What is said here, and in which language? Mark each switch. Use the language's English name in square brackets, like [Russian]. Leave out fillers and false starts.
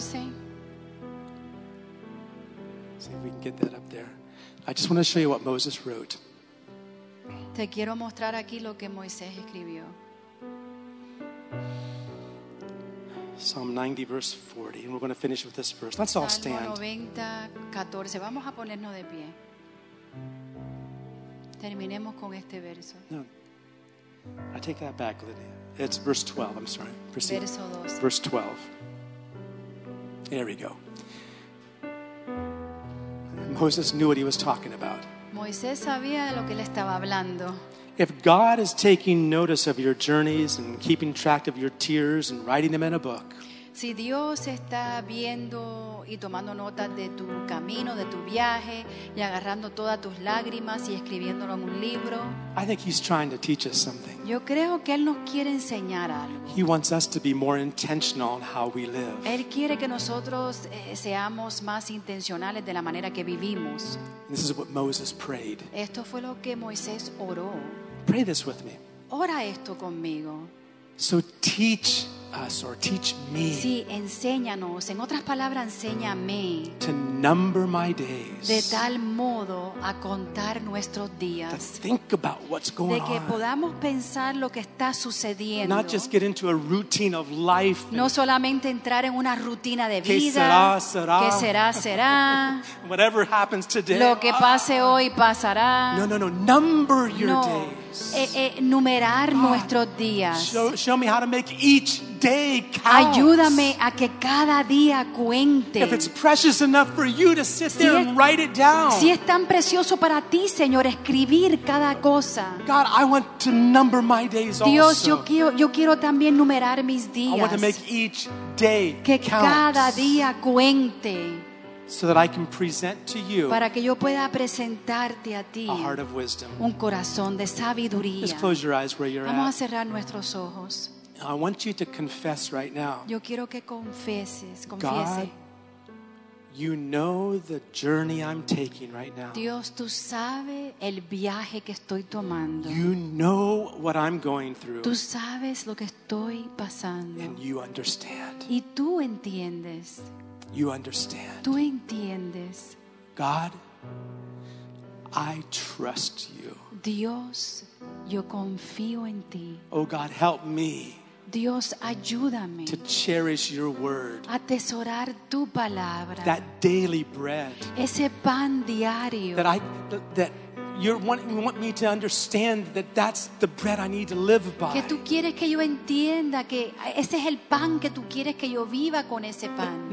[English] See if we can get that up there. I just want to show you what Moses wrote. [Spanish] Te quiero mostrar aquí lo que Moisés escribió. [English] Psalm 90 verse 40, and we're going to finish with this verse. Let's all stand. [Spanish] Salmo 90, 14. Vamos a ponernos de pie. Terminemos con este verso. [English] No, I take that back, Lydia. It's verse 12. I'm sorry. Proceed. [Spanish] Verso 12. [English] Verse 12. There we go. Moses knew what he was talking about. [Spanish] Moisés sabía de lo que él estaba hablando. [English] If God is taking notice of your journeys and keeping track of your tears and writing them in a book, [Spanish] si Dios está viendo y tomando notas de tu camino, de tu viaje, y agarrando todas tus lágrimas y escribiéndolo en un libro, [English] I think he's trying to teach us something. [Spanish] Yo creo que él nos quiere enseñar algo. [English] He wants us to be more intentional in how we live. [Spanish] Él quiere que nosotros seamos más intencionales de la manera que vivimos. [English] This is what Moses prayed. [Spanish] Esto fue lo que Moisés oró. [English] Pray this with me. [Spanish] Ora esto conmigo. [English] So teach us, or teach me. [Spanish] Sí, enséñanos. En otras palabras, enséñame. [English] To number my days. [Spanish] De tal modo a contar nuestros días. [English] To think about what's going on. [Spanish] De que podamos pensar lo que está sucediendo. [English] Not just get into a routine of life. [Spanish] No solamente entrar en una rutina de vida. Que será, será. Que será, será. [English] Whatever happens today. [Spanish] Lo que pase hoy pasará. [English] No, no, no. Number your [Spanish] no. [English] days. [Spanish] Numerar [English] God, [Spanish] nuestros días. [English] Show me how to make each day count. [Spanish] Ayúdame a que cada día cuente. [English] If it's precious enough for you to sit si there and write it down. [Spanish] Si es tan precioso para ti, Señor, escribir cada cosa. [English] God, I want to number my days also. [Spanish] Dios, yo quiero también numerar mis días. [English] I want to make each day [Spanish] que [English] count. [Spanish] Cada día cuente. [English] So that I can present to you [Spanish] para que yo pueda presentarte a ti [English] a heart of wisdom. [Spanish] Un corazón de sabiduría. [English] Just close your eyes where you're [Spanish] vamos [English] at. [Spanish] A cerrar nuestros ojos. [English] I want you to confess right now. [Spanish] Yo quiero que confieses, [English] God, you know the journey I'm taking right now. [Spanish] Dios, tú sabes el viaje que estoy tomando. [English] You know what I'm going through. [Spanish] Tú sabes lo que estoy pasando. [English] And you understand. [Spanish] Y tú entiendes. [English] You understand. [Spanish] Tú entiendes. [English] God, I trust you. [Spanish] Dios, yo confío en ti. [English] Oh God, help me. [Spanish] Dios, ayúdame. [English] To cherish your word. [Spanish] Atesorar tu palabra. [English] That daily bread. [Spanish] Ese pan diario. [English] You want me to understand that that's the bread I need to live by. [Spanish] Que tú quieres que yo entienda que ese es el pan que tú quieres que yo viva con ese pan.